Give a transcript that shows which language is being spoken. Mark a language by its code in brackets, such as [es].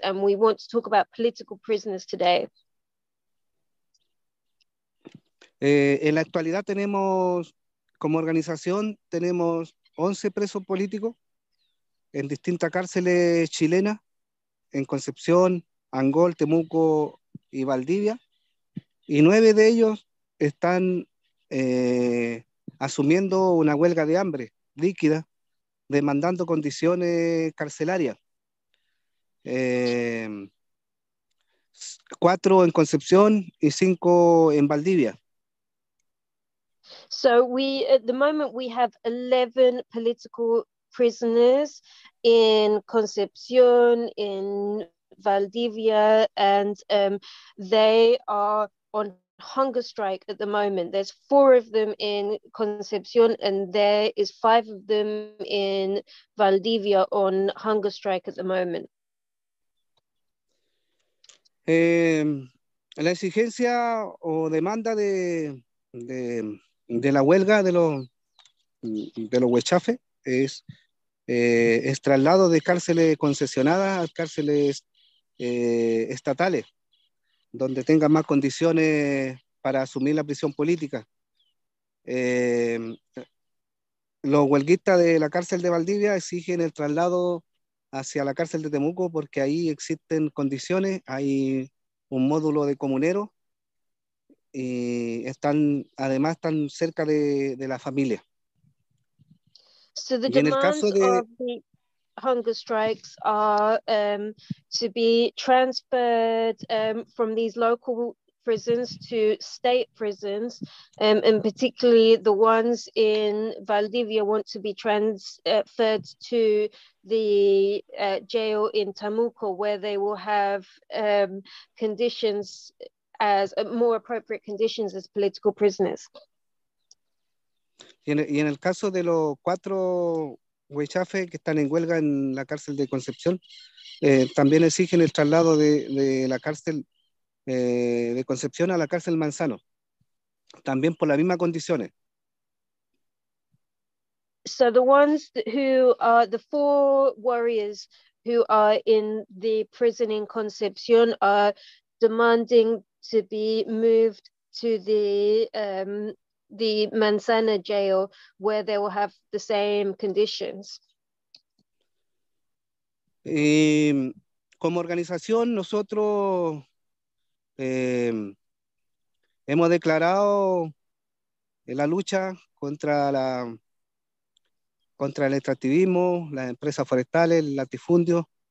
[en] And we want to talk about political prisoners today. [es] En la actualidad tenemos, como organización, tenemos 11 presos políticos en distintas cárceles chilenas, en Concepción, Angol, Temuco y Valdivia. Y 9 de ellos están asumiendo una huelga de hambre líquida, demandando condiciones carcelarias. 4 en Concepción y 5 en Valdivia. [en] So we, at the moment, we have 11 political prisoners in Concepción, in Valdivia, and they are on hunger strike at the moment. There's 4 of them in Concepción, and there is 5 of them in Valdivia on hunger strike at the moment. [es] La exigencia o demanda de la huelga de los huechafe es traslado de cárceles concesionadas a cárceles estatales, donde tengan más condiciones para asumir la prisión política. Los huelguistas de la cárcel de Valdivia exigen el traslado hacia la cárcel de Temuco porque ahí existen condiciones, hay un módulo de comunero. Y están, además, están cerca de la familia. [en] So the demands of the hunger strikes are to be transferred from these local prisons to state prisons, and particularly the ones in Valdivia want to be transferred to the jail in Temuco, where they will have conditions as more appropriate conditions as political prisoners. [es] Y en el caso de los 4 huechafe que están en huelga en la cárcel de Concepción, también exigen el traslado de la cárcel de Concepción a la cárcel Manzano, también por las mismas condiciones. [en] So the ones who are the 4 warriors who are in the prison in Concepción are demanding to be moved to the Manzana jail, where they will have the same conditions. [es] Como organización, nosotros hemos declarado la lucha contra el extractivismo, las empresas forestales, el latifundio.